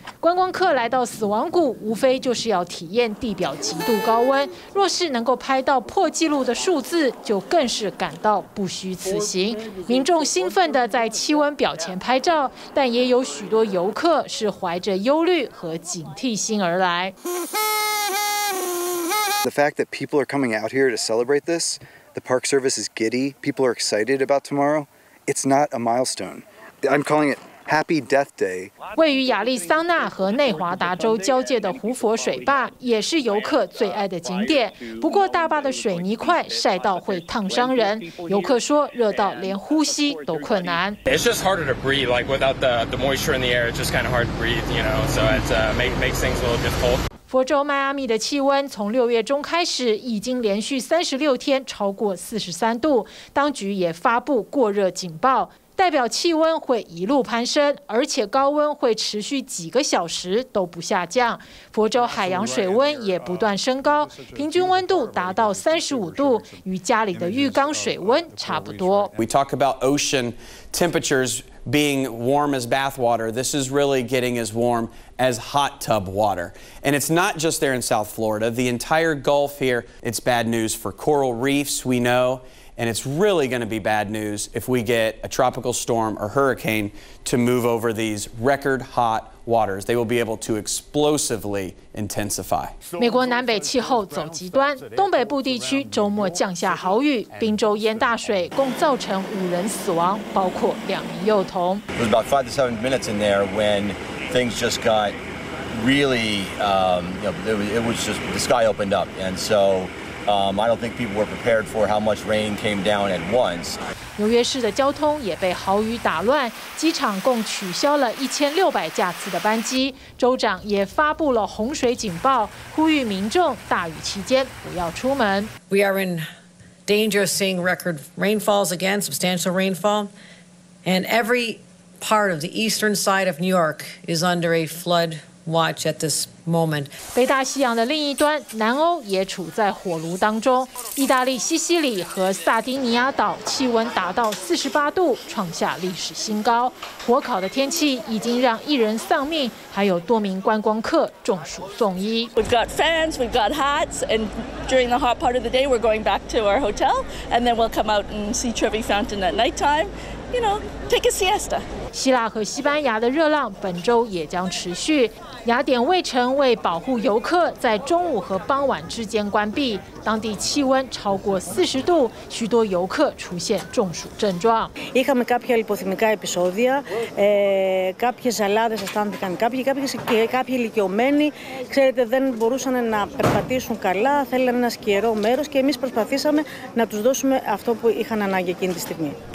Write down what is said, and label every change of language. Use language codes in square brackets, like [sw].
[zh] 观光客来到死亡谷，无非就是要体验地表极度高温。若是能够拍到破纪录的数字，就更是感到不虚此行。民众兴奋地在气温表前拍照，但也有许多游客是怀着忧虑和警惕心而来。 [en] The fact that people are coming out here to celebrate this. The Park Service is giddy. People are excited about tomorrow. It's not a milestone. I'm calling it Happy Death Day. [zh] 位于亚利桑那和内华达州交界的胡佛水坝也是游客最爱的景点。不过大坝的水泥块晒到会烫伤人，游客说热到连呼吸都困难。 [en] It's just harder to breathe. Like without the moisture in the air, it's just kind of hard to breathe. You know, so it makes things a little difficult. [zh] 佛州迈阿密的气温从六月中开始已经连续36天超过43度，当局也发布过热警报，代表气温会一路攀升，而且高温会持续几个小时都不下降。佛州海洋水温也不断升高，平均温度达到35度，与家里的浴缸水温差不多。 [en] We talk about ocean temperatures being warm as bath water. This is really getting as warm. As hot tub water. And it's not just there in South Florida, the entire Gulf here, it's bad news for coral reefs, we know, and it's really going to be bad news if we get a tropical storm or hurricane to move over these record hot waters. They will be able to explosively intensify. [zh] 美国南北气候走极端，东北部地区周末降下豪雨，宾州淹大水，共造成5人死亡，包括2名幼童。 [en] It was about 5 to 7 minutes in there when. Things just got really, it was just the sky opened up. And so I don't think people were prepared for how much rain came down at once. [zh] 纽约市的交通也被豪雨打乱，机场共取消了1600架次的班机。州长也发布了洪水警报，呼吁民众大雨期间不要出门。 [en] We are in danger of seeing record rainfalls again, substantial rainfall, and every. Part of the eastern side of New York is under a flood watch at this moment. [zh] 北大西洋的另一端，南欧也处在火炉当中。意大利西西里和萨丁尼亚岛气温达到48度，创下历史新高。火烤的天气已经让1人丧命，还有多名观光客中暑送医。 [en] We've got fans, we've got hats, and during the hot part of the day, we're going back to our hotel, and then we'll come out and see Trevi Fountain at nighttime. Take a siesta. [zh] 希腊和西班牙的热浪本周也将持续。雅典卫城为保护游客，在中午和傍晚之间关闭。当地气温超过40度，许多游客出现中暑症状。 [el] Είχαμε κάποια υποθυμικά επεισόδια, κάποιες ζαλάδες αισθάνθηκαν κάποιοι ηλικιωμένοι, ξέρετε, δεν μπορούσαν να περπατήσουν καλά, θέλανε ένα σκιερό μέρος και εμείς προσπαθήσαμε να τους δώσουμε αυτό που είχαν ανάγκη εκείνη τη στιγμή.